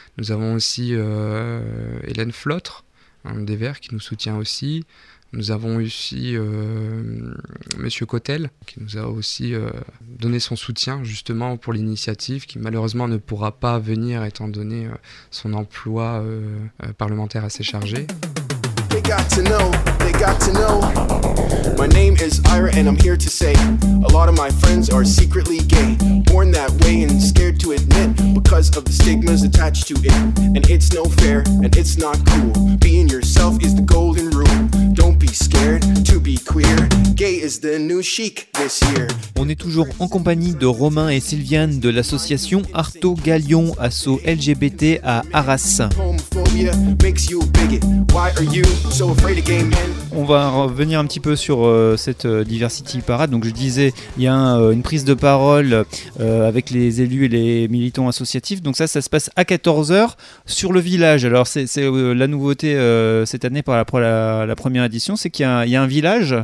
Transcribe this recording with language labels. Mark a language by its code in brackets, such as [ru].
[fr] Nous avons aussi Hélène Flotre, des Verts, qui nous soutient aussi. Nous avons aussi Monsieur Cotel, qui nous a aussi donné son soutien justement pour l'initiative, qui malheureusement ne pourra pas venir étant donné son emploi parlementaire assez chargé. [en] They got to know, they got to know. My name is Ira and I'm here to say a lot of my friends are secretly gay. Born that way and scared to admit because of the stigmas attached to it. And it's no fair and it's not cool. Being yourself is the golden rule. Don't be scared to be queer. Gay is the new chic this year. [fr] On est toujours en compagnie de Romain et Sylviane de l'association Artogalion, asso LGBT à Arras. [en] Homophobia makes you bigot. Why are you so afraid of gay men? [fr] On va revenir un petit peu sur cette Diversity Parade. Donc je disais, il y a une prise de parole avec les élus et les militants associatifs. Donc ça se passe à 14h sur le village. Alors c'est la nouveauté cette année pour la première édition, c'est qu'il y a un village.